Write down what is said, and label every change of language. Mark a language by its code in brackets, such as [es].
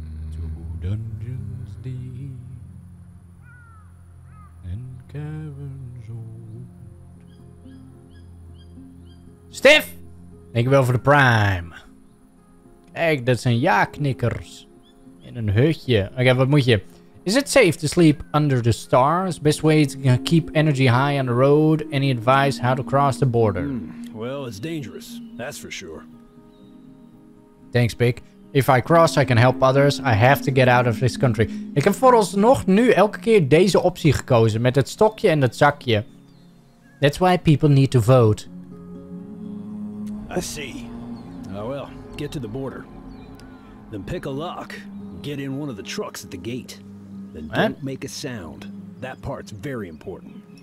[en] To dungeons deep and caverns old. Stef! [nl] Dankjewel voor de prime. Kijk, dat zijn ja-knikkers. In een hutje. Oké, wat moet je? [en] Is it safe to sleep under the stars? Best way to keep energy high on the road? Any advice how to cross the border? Well, it's dangerous. That's for sure. Thanks, Big. If I cross, I can help others. I have to get out of this country. [nl] Ik heb vooralsnog nu elke keer deze optie gekozen. Met het stokje en het zakje. [en] That's why people need to vote. I see. Oh well, get to the border. Then pick a lock. get in one of the trucks at the gate. Then what? Don't make a sound. That part's very important.